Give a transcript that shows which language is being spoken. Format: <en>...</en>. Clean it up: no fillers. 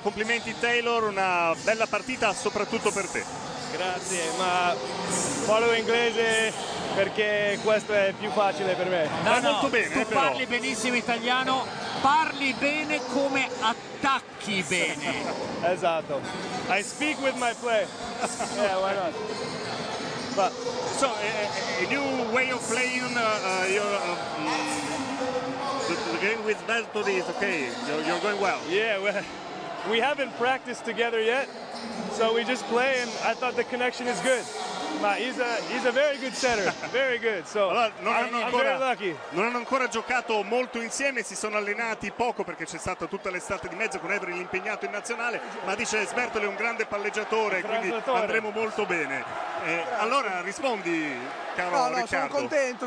<it>Complimenti Taylor, una bella partita soprattutto per te. Grazie, ma parlo inglese perché questo è più facile per me. No, no, molto bene, tu però parli benissimo italiano, parli bene come attacchi bene. Esatto.</it> <en>I speak with my play. Yeah, why not? But so a new way of playing your the game with Belto is okay. You're going well. Yeah, we haven't practiced together yet. So we just play and I thought the connection is good.</en> <it>Ma</it> <en>he's a very good setter, very good. So</en> <it>non hanno ancora giocato molto insieme, si sono allenati poco perché c'è stata tutta l'estate di mezzo con Averill impegnato in nazionale, ma dice Sbertoli è un grande palleggiatore, quindi andremo molto bene. Allora rispondi, caro Riccardo.</it>